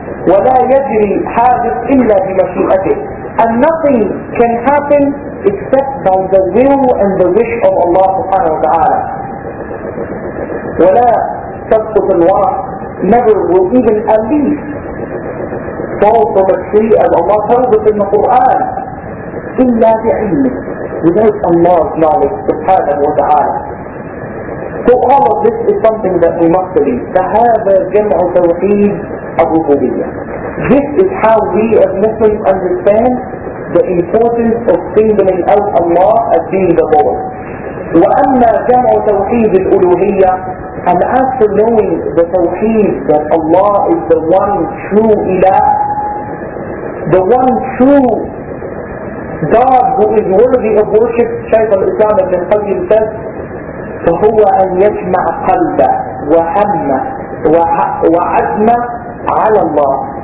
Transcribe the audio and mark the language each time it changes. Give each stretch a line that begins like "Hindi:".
Arabic: ولا يجري حادث إلا بمشيئته.
English: And nothing can happen except by the will and the wish of Allah subhanahu wa ta'ala.
Arabic: ولا تسقط الورق.
English: Never will even a leaf fall from a tree, as Allah tells us in the Quran,
Arabic: إلا بعلمه,
English: without Allah's knowledge subhanahu wa ta'ala. So all of this is something that we must believe.
Arabic: فهذا جمع توحيد الربوبية.
English: This is how we as Muslims understand the importance of singling out Allah as being the Lord.
Arabic: وأما جمع توحيد الألوهية.
English: And after knowing the tawheed that Allah is the one true ilah, the one true God who is worthy of worship, Shaykh al-Islam ibn Qayyim says,
Arabic: فَهُوَ أَنْ يَجْمَعَ قَلْبَ وَهَمَّ وَعَزْمَ عَلَى اللَّهِ.